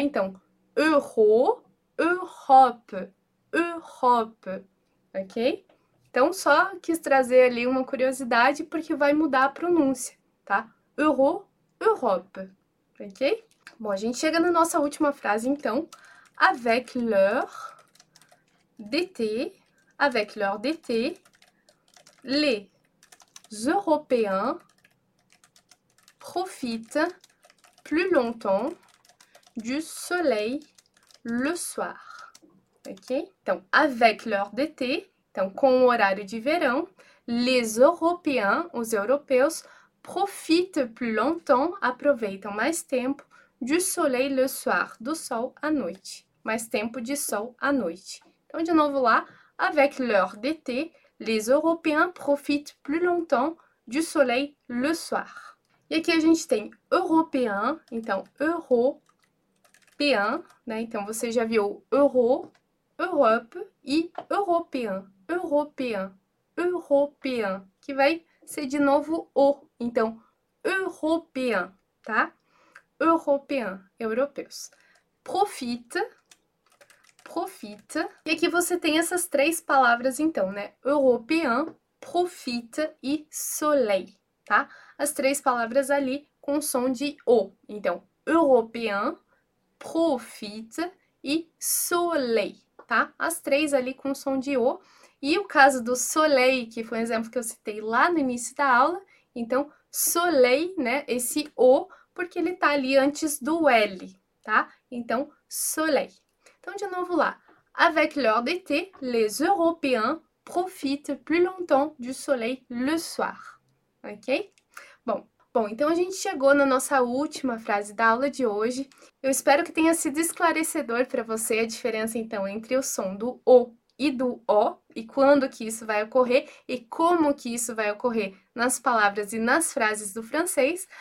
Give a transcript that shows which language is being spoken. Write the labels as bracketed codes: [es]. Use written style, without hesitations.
[pt] Então, Euro, Europa, Europa, ok? Então, só quis trazer ali uma curiosidade porque vai mudar a pronúncia, tá? Euro, Europa, ok? Bom, a gente chega na nossa última frase, então. [fr] Avec l'heure d'été, avec l'heure d'été, les Européens profite plus longtemps du soleil le soir. [pt] Ok? Então, [fr] avec l'heure d'été, [pt] então, com o horário de verão, [fr] les Européens, [pt] os europeus, [fr] profitent plus longtemps, [pt] aproveitam mais tempo, [fr] du soleil le soir, [pt] do sol à noite. Mais tempo de sol à noite. Então, de novo lá, [fr] avec l'heure d'été, les Européens profitent plus longtemps du soleil le soir. [pt] E aqui a gente tem européen, então européen, né? Então você já viu euro, Europe e européen, européen, européen, que vai ser de novo o. Então, européen, tá? Européen, europeus. Profite, profite. E aqui você tem essas três palavras, então, né? Européen, profite e soleil. Tá? As três palavras ali com som de O. Então, européen, profite e soleil. Tá? As três ali com som de O. E o caso do soleil, que foi um exemplo que eu citei lá no início da aula. Então, soleil, né? Esse O, porque ele tá ali antes do L. Tá? Então, soleil. Então, de novo lá. [fr] Avec l'heure d'été, les Européens profitent plus longtemps du soleil le soir. Ok? [pt] Bom, então a gente chegou na nossa última frase da aula de hoje. Eu espero que tenha sido esclarecedor para você a diferença, então, entre o som do O e do O, e quando que isso vai ocorrer, e como que isso vai ocorrer nas palavras e nas frases do francês.